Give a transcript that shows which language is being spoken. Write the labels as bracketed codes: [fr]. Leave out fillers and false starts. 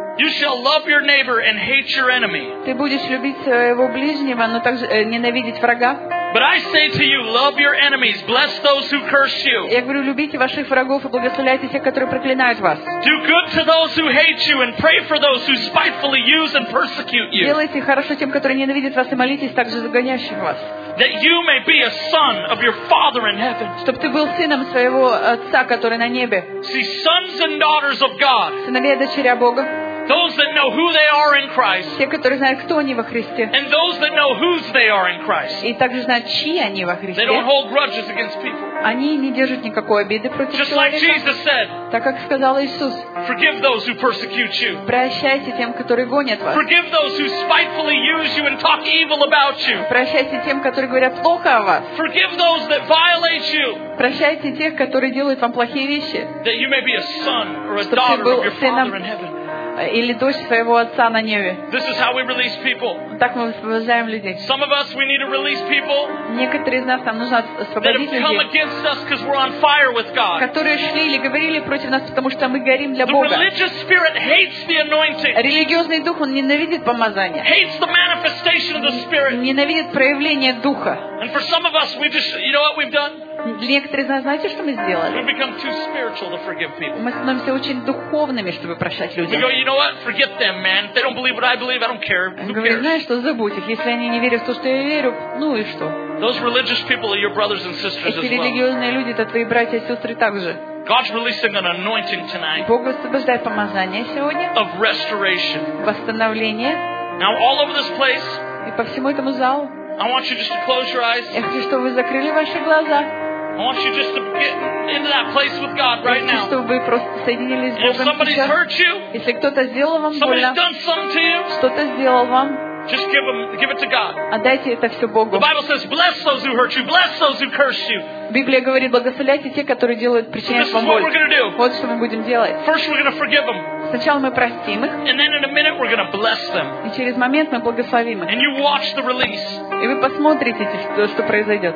[en] You shall love your neighbor and hate your enemy. [ru] Ты будешь любить своего ближнего, но также ненавидеть врага. [en] But I say to you, love your enemies, bless those who curse you. [ru] Я говорю, любите ваших врагов и благословляйте тех, которые проклинают вас. [en] Do good to those who hate you and pray for those who spitefully use and persecute you. [ru] Делайте хорошо тем, которые ненавидят вас и молитесь также за гонящих вас. [en] That you may be a son of your Father in heaven. [ru] Чтобы ты был сыном своего отца, который на небе. [en] See, sons and daughters of God. [ru] Сыновья и дочеря Бога. [en] Those that know who they are in Christ. [ru] Те, которые знают, кто они во Христе. [en] And those that know whose they are in Christ. [ru] И также знают, чьи они во Христе. [en] They don't hold grudges against people. [ru] Они не держат никакой обиды против [en] Just [ru] человека. [en] Like Jesus said, [ru] так как сказал Иисус. [en] Forgive those who persecute you. [ru] Прощайте тем, которые гонят вас. [en] Forgive those who spitefully use you and talk evil about you. [ru] Прощайте тем, которые говорят плохо о вас. [en] Forgive those that violate you. [ru] Прощайте тех, которые делают вам плохие вещи. [en] That you may be a son or a daughter of your Father in heaven. [ru] Или дочь своего отца на небе. [en] This is how we release people. [ru] Так мы освобождаем людей. [en] Some of us, we need to release people. [ru] Некоторые из нас нам нужно освободить людей. [en] That have come against us because we're on fire with God. [ru] Которые шли или говорили против нас, потому что мы горим для Бога. [en] The religious spirit hates the anointing. [ru] Религиозный дух он ненавидит помазание. [en] Hates the manifestation of the spirit. [ru] Ненавидит проявление духа. [en] And for some of us, we just, you know what we've done? [ru] Для некоторых из нас, знаете, что мы сделали? Мы становимся очень духовными, чтобы прощать людям. [en] You know what? Forget them, man. If they don't believe what I believe, I don't care. [ru] Говорю, знаешь что, забудь их. Если они не верят в то, что я верю, ну и что? [en] Those religious people are your brothers and sisters as well. [ru] Эти религиозные люди, это твои братья и сестры также. [en] God's releasing an anointing tonight. [ru] Бог высвобождает помазание сегодня. [en] Of restoration. [ru] Восстановление. [en] Now all over this place. [ru] И по всему этому залу. [en] I want you just to close your eyes. [ru] Я хочу, чтобы вы закрыли ваши глаза. [en] I want you just to get into that place with God right now. [ru] Хочу, чтобы вы просто соединились с Богом сейчас. [en] If somebody's hurt you, [ru] если кто-то сделал вам больно, [en] somebody's done something to you, [ru] что-то сделал вам, [en] just give it to God. [ru] Отдайте это все Богу. [en] The Bible says, "Bless those who hurt you, bless those who curse you." [ru] Библия говорит, благословляйте те, которые делают причиняют вам боль. [en] So this is what we're going to do. [ru] Вот что мы будем делать. [en] First, we're going to forgive them. [ru] Сначала мы простим их. [en] And then in a minute we're going to bless them. [ru] И через момент мы благословим их. [en] And you watch the release. [ru] И вы посмотрите, что произойдет.